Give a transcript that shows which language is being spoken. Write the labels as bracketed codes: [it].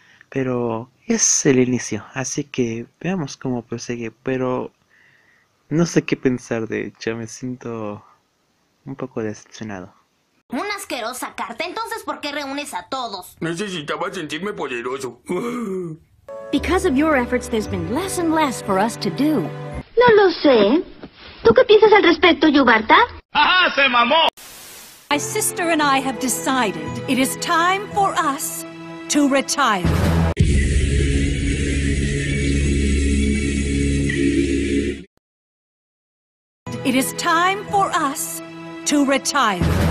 [es] Pero es el inicio, así que veamos cómo prosigue, pero no sé qué pensar, de hecho me siento un poco decepcionado. Una asquerosa carta, entonces ¿por qué reúnes a todos? Necesitaba sentirme poderoso. [en] Because of your efforts, there's been less and less for us to do. [es] No lo sé. ¿Tú qué piensas al respecto, Yubarta? ¡Ajá, se mamó! [en] My sister and I have decided it is time for us to retire. It is time for us to retire.